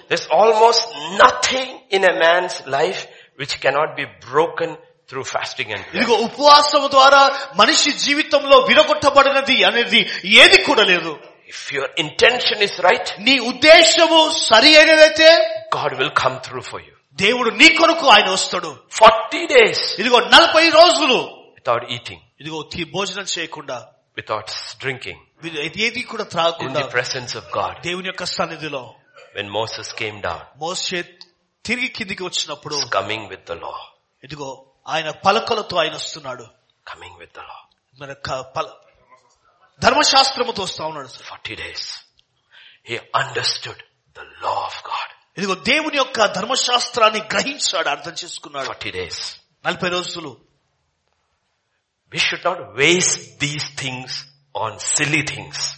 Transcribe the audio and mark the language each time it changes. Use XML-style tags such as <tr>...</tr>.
<en>There's almost nothing in a man's life which cannot be broken through fasting and prayer.</en> <te>ఇదిగో ఉపవాసం ద్వారా మనిషి జీవితంలో విరగొట్టబడినది అనేది ఏది కూడా లేదు.</te> <en>If your intention is right,</en> <te>నీ ఉద్దేశము సరైనదైతే,</te> <en>God will come through for you.</en> <te>దేవుడు నీ కొరకు ఆయన వస్తాడు.</te> <en>40 days.</en> <te>ఇదిగో 40 రోజులు.</te> <en>Without eating.</en> <te>ఇదిగో భోజనం చేయకుండా.</te> <en>Without drinking.</en> <te>ఏది కూడా త్రాగకుండా.</te> <en>In the presence of God.</en> <te>దేవుని యొక్క సన్నిధిలో.</te> <en>When Moses came down.</en> <te>మోషే తిరిగి కిందికి వచ్చినప్పుడు.</te> <en>Coming with the law.</en> <te>ఇదిగో ఆయన పలకలతో ఆయన వస్తున్నాడు.</te> <en>Coming with the law.</en> <te>మన ధర్మశాస్త్రముతో వస్తా ఉన్నాడు.</te> <en>40 days. He understood the law of God.</en> <te>ఇదిగో దేవుని యొక్క ధర్మశాస్త్రాన్ని గ్రహించాడు, అర్థం చేసుకున్నాడు.</te> <en>40 days.</en> <te>40 రోజులు.</te> <en>We should not waste these things on silly things.</en>